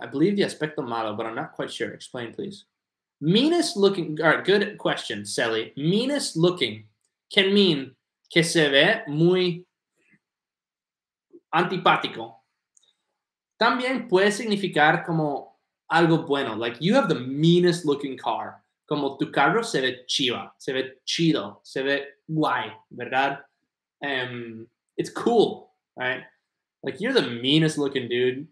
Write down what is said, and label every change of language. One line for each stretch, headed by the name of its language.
English: I believe the
Spanish: aspecto malo,
English: but I'm not quite sure. Explain, please. Meanest looking. All right, good question, Sally. Meanest looking can mean
Spanish: que se ve muy antipático. También puede significar como algo bueno.
English: Like, you have the meanest looking car.
Spanish: Como tu carro se ve chiva, se ve chido, se ve guay, ¿verdad?
English: It's cool, right? Like, you're the meanest looking dude.